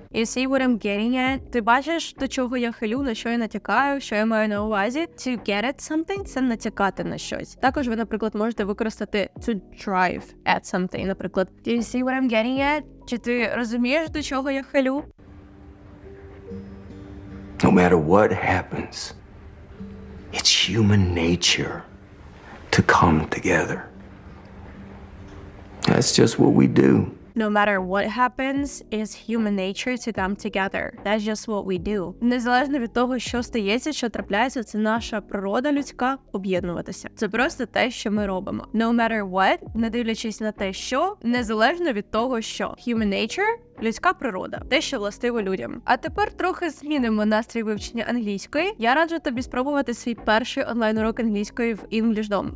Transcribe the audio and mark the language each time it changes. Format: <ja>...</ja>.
<en>You see what I'm getting at?</en> <uk>Ти бачиш, до чого я хилю, на що я натякаю, що я маю на увазі?</uk> <en>To get at something</en> <uk>– це натякати на щось. Також ви, наприклад, можете використати</uk> <en>to drive at something. Наприклад, do you see what I'm getting at?</en> <uk>Чи ти розумієш, до чого я хилю?</uk> <en>No matter what happens, it's human nature to come together. That's just what we do. No matter what happens, it's human nature to come together. That's just what we do.</en> <uk>Незалежно від того, що стається, що трапляється, це наша природа людська об'єднуватися. Це просто те, що ми робимо.</uk> <en>No matter what,</en> <uk>не дивлячись на те, що, незалежно від того, що.</uk> <en>Human nature</en> <uk>– людська природа. Те, що властиво людям. А тепер трохи змінимо настрій вивчення англійської. Я раджу тобі спробувати свій перший онлайн-урок англійської в Englishdom.</uk>